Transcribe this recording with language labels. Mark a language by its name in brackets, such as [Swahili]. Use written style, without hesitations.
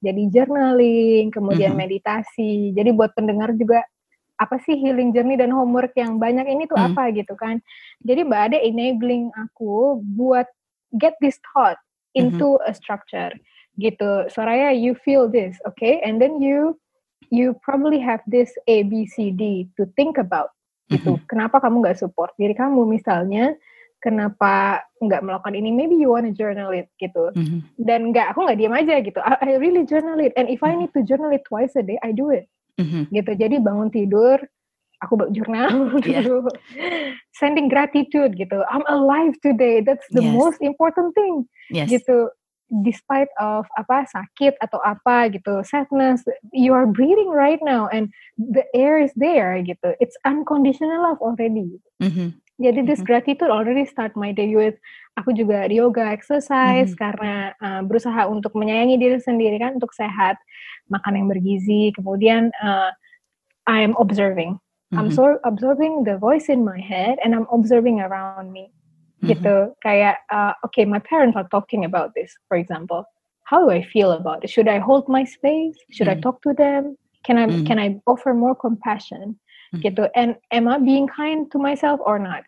[Indonesian] Jadi journaling, kemudian meditasi. Jadi buat pendengar juga, apa sih healing journey dan homework yang banyak ini tuh apa gitu kan. [English] Jadi Mbak Ade enabling [Indonesian] aku buat [English] get this thought into a structure gitu. Soraya, you feel this, okay? And then you probably have this A, B, C, D to think about gitu. [Indonesian] Kenapa kamu gak support diri kamu misalnya? Kenapa gak melakukan ini? [English] Maybe you wanna journal it [Indonesian] gitu. Dan aku gak diem aja gitu. [English] I really journal it. And if I need to journal it twice a day, I do it. [Indonesian] Gitu, jadi bangun tidur aku buat jurnal dulu. [English] Sending gratitude gitu, I'm alive today, that's the most important thing. Gitu, despite of [Indonesian] apa sakit atau apa gitu, [English] sadness, you are breathing right now and the air is there gitu, it's unconditional love already. Jadi this gratitude already start my day with. [Indonesian] Aku juga yoga, exercise, karena berusaha untuk menyayangi diri sendiri kan, untuk sehat, makan yang bergizi, kemudian [English] I am observing. I'm so observing the voice in my head, and I'm observing around me. Gitu, kayak, okay, my parents are talking about this, for example. How do I feel about it? Should I hold my space? Should I talk to them? Can I offer more compassion? Gitu, and am I being kind to myself or not?